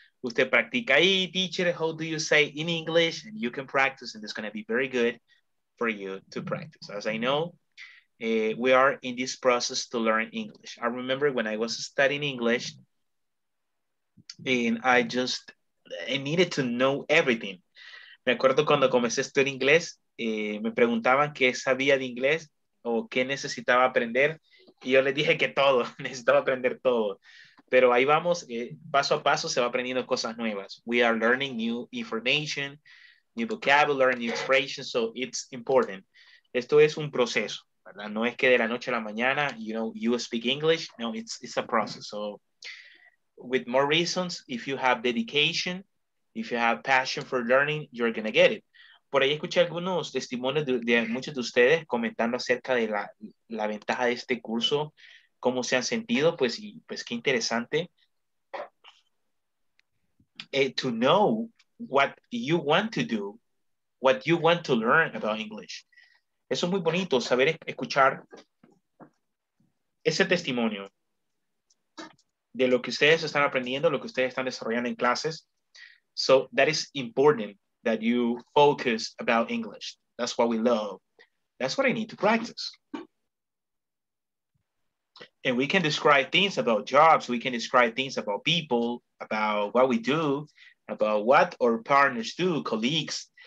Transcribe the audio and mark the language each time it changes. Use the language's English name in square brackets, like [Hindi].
[Spanish] Usted practica ahí, [English] teacher, how do you say in English? And you can practice and it's going to be very good for you to practice. As I know, we are in this process to learn English. I remember when I was studying English and I needed to know everything. [Spanish] Me acuerdo cuando comencé a estudiar inglés, me preguntaban qué sabía de inglés o qué necesitaba aprender. Y yo les dije que todo, necesitaba aprender todo. Pero ahí vamos, paso a paso se va aprendiendo cosas nuevas. [English] We are learning new information, new vocabulary, new expressions, so it's important. [Spanish] Esto es un proceso, ¿verdad? No es que de la noche a la mañana, [English] you know, you speak English. No, it's a process. So with more reasons, if you have dedication, if you have passion for learning, you're going to get it. [Spanish] Por ahí escuché algunos testimonios de muchos de ustedes comentando acerca de la ventaja de este curso, cómo se han sentido, pues, y, pues qué interesante. [English] To know what you want to do, what you want to learn about English. [Spanish] Eso es muy bonito, saber escuchar ese testimonio de lo que ustedes están aprendiendo, lo que ustedes están desarrollando en clases. [English] So that is important that you focus about English. That's what we love. That's what I need to practice. And we can describe things about jobs. We can describe things about people, about what we do, about what our partners do, colleagues.